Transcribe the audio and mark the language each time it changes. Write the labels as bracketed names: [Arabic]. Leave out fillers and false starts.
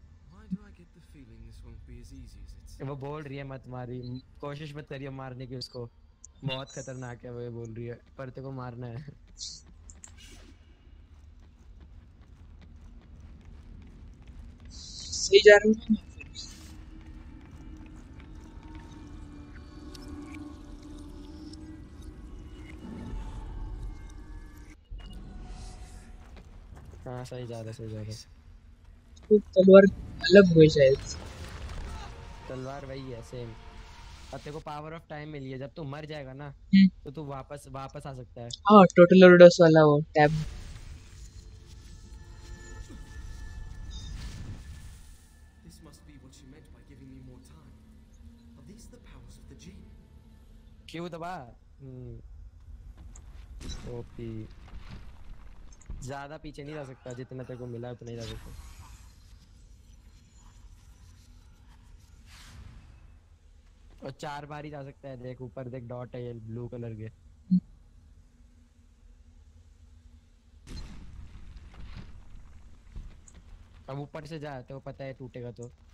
[English] Why do I get the feeling this won't be as easy as it seems? [Hindi] Wo bol rahi hai mat maari, koshish mat kariye maarne ki usko. बहुत खतरनाक है वो, ये बोल रही है पर तेको मारना है। सही जा रहा हूँ। हाँ सही जा रहा, सही जा रहा। तलवार अलग हुई शायद। तलवार वही है सेम। तेरे को पावर ऑफ टाइम मिली है, जब तू मर जाएगा ना तो तू वापस आ सकता है। हाँ टोटल रोडस वाला वो tab. [English] This must be what she meant by giving me more time. Are these the powers of the gene? [Hindi] क्यों दबा? ओपी ज़्यादा पीछे नहीं जा सकता जितना तेरे को मिला है उतना ही जा सकता है और चार बार ही जा सकता है देख ऊपर देख डॉट है ये ब्लू कलर के अब ऊपर से जा तो पता है टूटेगा तो